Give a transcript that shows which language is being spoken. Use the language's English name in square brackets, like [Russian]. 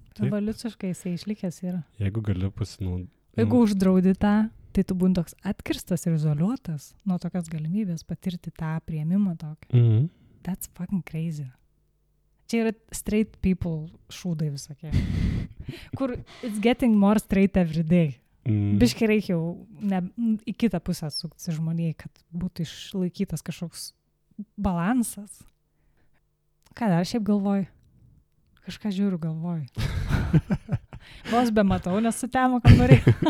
[Lithuanian] Evoliuciškai jisai išlikęs yra. Jeigu gali pasinaudoti. Jeigu uždraudi tą, tai tu būn toks atkirstas ir izoliuotas nuo tokios galimybės patirti tą priėmimą tokį. Mm-hmm. [English] That's fucking crazy. [Lithuanian] Čia yra [English] straight people [Lithuanian] šūdai visokie. Kur [English] it's getting more straight every day. Mm. [Lithuanian] Biškai reikia jau į kitą pusę sukti žmoniai, kad būtų išlaikytas kažkoks balansas. Ką dar šiaip galvoju? Kažką žiūriu, galvoju. Vos be matau, nes su temo kambarį.